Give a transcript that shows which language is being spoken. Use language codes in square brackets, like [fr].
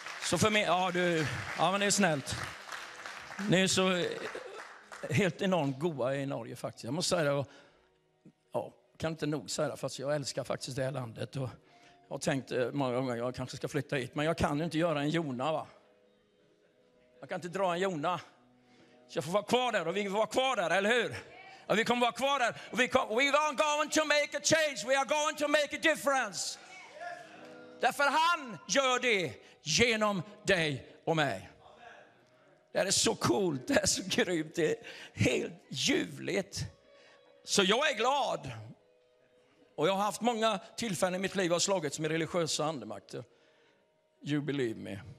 [sv] Så för mig, ja du, ja men det är snällt. Ni är så helt enormt goa i Norge faktiskt. Jag måste säga det, och, ja, kan inte nog säga det, fast jag älskar faktiskt det här landet. Och jag har tänkt många gånger, jag kanske ska flytta hit, men jag kan ju inte göra en jona va. Jag kan inte dra en jona. Så jag får vara kvar där och vi får vara kvar där, eller hur? Ja, vi kommer vara kvar där. [en] Och we are going to make a change, we are going to make a difference. [sv] Därför han gör det genom dig och mig. Det är så coolt, det är så grymt, det är helt ljuvligt. Så jag är glad. Och jag har haft många tillfällen i mitt liv att slagits med religiösa andemakter. [en] You believe me.